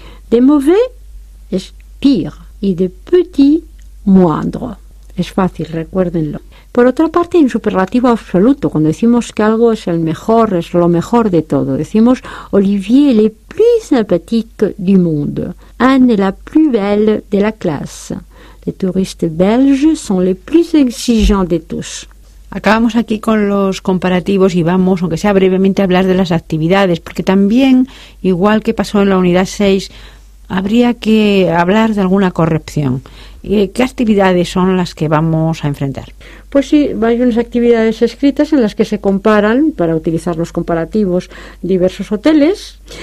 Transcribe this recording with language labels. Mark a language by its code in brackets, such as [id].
[es] De mauvais es pire, y de petit, moindre. Es fácil, recuérdenlo. Por otra parte, en superlativo absoluto, cuando decimos que algo es el mejor, es lo mejor de todo, decimos [fr] Olivier est le plus sympathique du monde. Anne est la plus belle de la classe. Les touristes belges sont les plus exigeants de tous. [es] Acabamos aquí con los comparativos y vamos, aunque sea brevemente, a hablar de las actividades, porque también, igual que pasó en la unidad 6, habría que hablar de alguna corrección. ¿Qué actividades son las que vamos a enfrentar? Pues sí, hay unas actividades escritas en las que se comparan, para utilizar los comparativos, diversos hoteles.